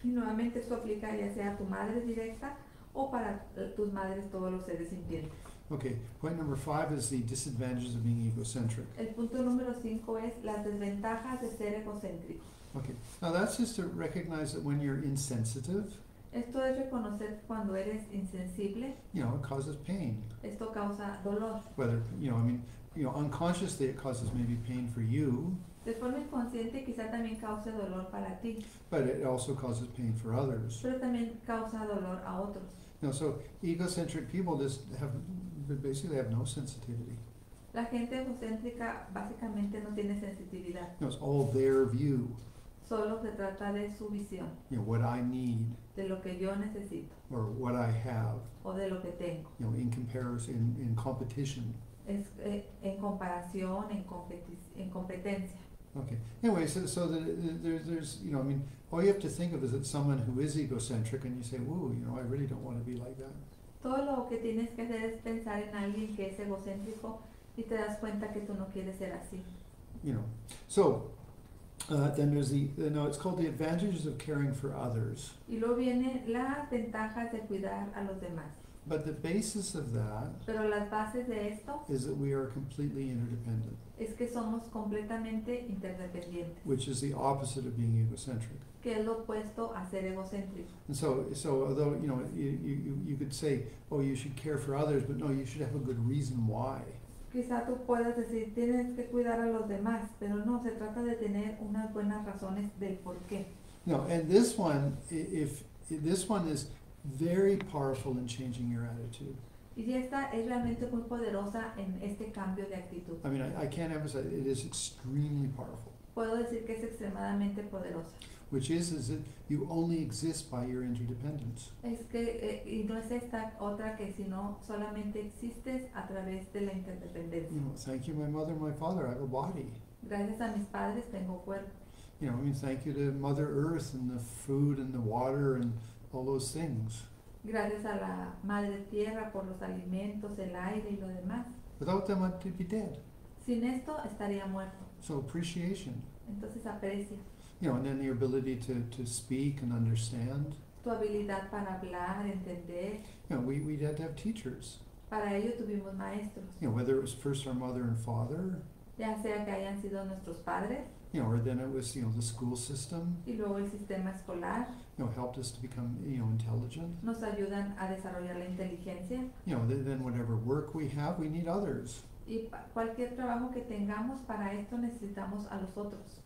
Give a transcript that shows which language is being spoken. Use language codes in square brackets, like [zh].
[es] Y nuevamente esto aplica ya sea a tu madre directa o para tus madres todos los seres sintientes. [en] Okay, point number five is the disadvantages of being egocentric. [es] El punto número cinco es las desventajas de ser egocéntrico. [en] Okay, now that's just to recognize that when you're insensitive, [es] esto es reconocer cuando eres insensible, [en] you know, it causes pain. [es] Esto causa dolor. [en] Whether, you know, I mean, you know, unconsciously it causes maybe pain for you. [es] De forma inconsciente quizá también cause dolor para ti. [en] But it also causes pain for others. [es] Pero también causa dolor a otros. [en] You know, so egocentric people just have, basically have no sensitivity. [es] La gente egocéntrica básicamente no tiene sensitividad. [en] You know, it's all their view. [es] Solo se trata de su visión. [en] You know, what I need. [es] De lo que yo necesito. [en] Or what I have. [es] O de lo que tengo. [en] You know, in comparison, in competition. [es] Es en comparación, en competencia. [en] Okay. Anyway, so there's, you know, I mean, all you have to think of is that someone who is egocentric, and you say, "Whoa, you know, I really don't want to be like that." [es] Todo lo que tienes que hacer es pensar en alguien que es egocéntrico, y te das cuenta que tú no quieres ser así. [en] You know, so then there's the no, it's called the advantages of caring for others. [es] Y luego viene las ventajas de cuidar a los demás. [en] But the basis of that, [es] pero las bases de esto, [en] is that we are completely interdependent. [es] Es que somos completamente interdependientes. [en] Which is the opposite of being egocentric. [es] Que es lo opuesto a ser egocéntrico. [en] And so although, you know, you could say, oh, you should care for others, but no, you should have a good reason why. [es] Quizá tú puedas decir, tienes que cuidar a los demás, pero no, se trata de tener unas buenas razones del por qué. [en] No, and this one, if this one is very powerful in changing your attitude. [es] Y esta es realmente muy poderosa en este cambio de actitud. [en] I mean, I can't emphasize it is extremely powerful. [es] Puedo decir que es extremadamente poderosa. [en] Which is that you only exist by your interdependence. [es] Es que y no es esta otra que sino solamente existes a través de la interdependencia. [en] You know, thank you, my mother, my father. I have a body. [es] Gracias a mis padres tengo cuerpo. [en] You know, I mean, thank you to Mother Earth and the food and the water and all those things. [es] Gracias a la madre tierra por los alimentos, el aire y lo demás. [en] Without them, I'd be dead. [es] Sin esto, estaría muerto. [en] So appreciation. [es] Entonces aprecia. [en] You know, and then your ability to speak and understand. [es] Tu habilidad para hablar, entender. [en] You know, we had to have teachers. [es] Para ello tuvimos maestros. [en] You know, whether it was first our mother and father. [es] Ya sea que hayan sido nuestros padres. [en] You know, or then it was, you know, the school system. [es] Y luego el sistema escolar. [en] You know, helped us to become, you know, intelligent. [es] Nos ayudan a desarrollar la inteligencia. [en] You know, then whatever work we have, we need others. [es] Y cualquier trabajo que tengamos, para esto necesitamos a los otros.